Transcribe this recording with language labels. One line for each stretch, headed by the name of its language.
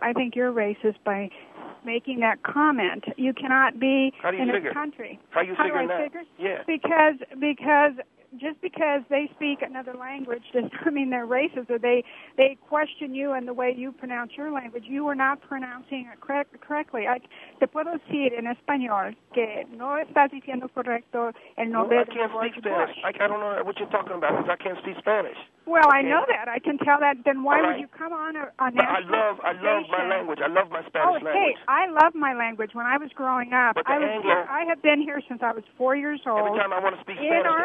English: I think you're racist by making that comment. You cannot be in figure? A country. How do you figure? Yeah. Because just because they speak another language does not mean they're racist. Or they question you and the way you pronounce your language. You are not pronouncing it correctly.
Spanish: Te puedo decir en español que no estás diciendo correcto el nombre.
English: I can't speak Spanish. I don't know what you're talking about because I can't speak Spanish. Well, I know that. I can tell that. Then why would you come on a national station? I love my language. I love my Spanish language. Hey, I love my language. When I was growing up, I have been here since I was 4 years old. Every time I want to speak Spanish, our